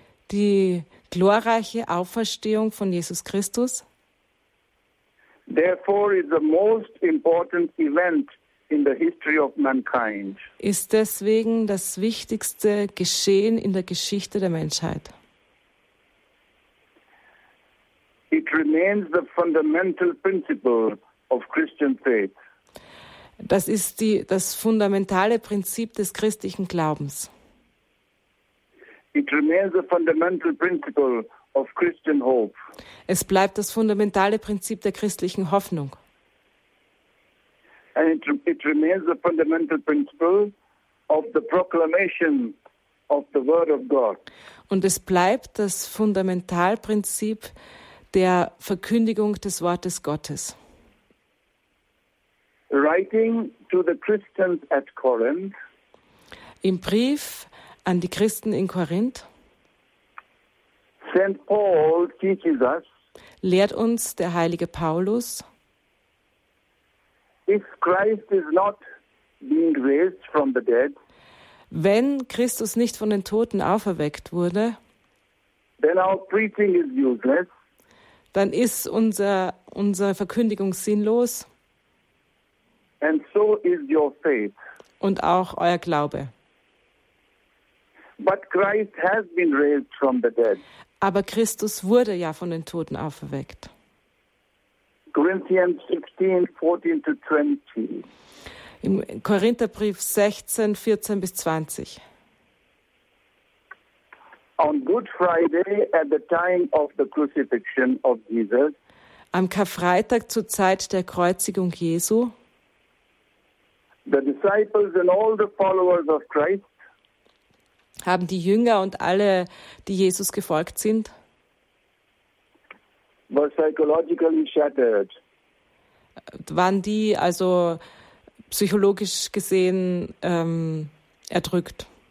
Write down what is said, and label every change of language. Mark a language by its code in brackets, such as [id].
[de] Die glorreiche Auferstehung von Jesus Christus. [en] Therefore is the most important event in the history of mankind. [de] Ist deswegen das wichtigste Geschehen in der Geschichte der Menschheit. [en] It remains the fundamental principle of Christian faith. [de] Das ist das fundamentale Prinzip des christlichen Glaubens. [en] It remains the fundamental principle of Christian hope. [de] Es bleibt das fundamentale Prinzip der christlichen Hoffnung. [en] And it remains the fundamental principle of the proclamation of the word of God. [de] Und es bleibt das Fundamentalprinzip der Verkündigung des Wortes Gottes. [en] Writing to the Christians at Corinth. [de] Im Brief an die Christen in Korinth. [en] St. Paul teaches us, [de] lehrt uns der heilige Paulus, [en] if Christ is not being raised from the dead, [de] wenn Christus nicht von den Toten auferweckt wurde, [en] then our preaching is useless, [de] dann ist unsere Verkündigung sinnlos, [en] and so is your faith, [de] und auch euer Glaube. [en] But Christ has been raised from the dead. [de] Aber Christus wurde ja von den Toten auferweckt. [en] Corinthians 16, 14 to 20. [de] Im Korintherbrief 16, 14 bis 20. [en] On Good Friday at the time of the crucifixion of Jesus. [de] Am Karfreitag zur Zeit der Kreuzigung Jesu. [en] The disciples and all the followers of Christ. [de] Haben die Jünger und alle, die Jesus gefolgt sind, [en] were psychologically shattered. [de] Waren die also psychologisch gesehen erdrückt,